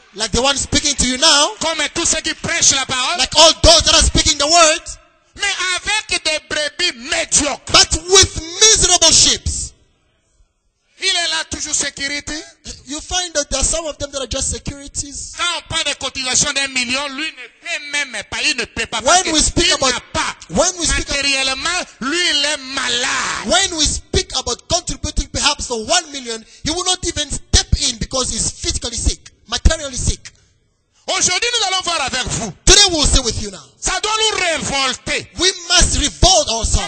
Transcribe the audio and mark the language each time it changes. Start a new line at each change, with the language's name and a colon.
English: like the one speaking to you now,
French: comme tous ceux qui prêchent la parole,
English: like all those that are speaking the word,
French: mais avec des brebis médiocres,
English: but with miserable sheep.
French: Il est là toujours sécurité.
English: You find that there are some of them that are just securities.
French: Quand on parle de cotisation d'un million, lui ne peut même pas, il ne peut pas.
English: When we speak about, when we speak
French: matériellement, lui il est malade.
English: When we speak about contributing perhaps the 1 million, he will not even step in because he's physically sick, materially sick.
French: Aujourd'hui nous allons voir avec vous.
English: Today we'll see with you now.
French: Ça doit nous révolter.
English: We must revolt ourselves.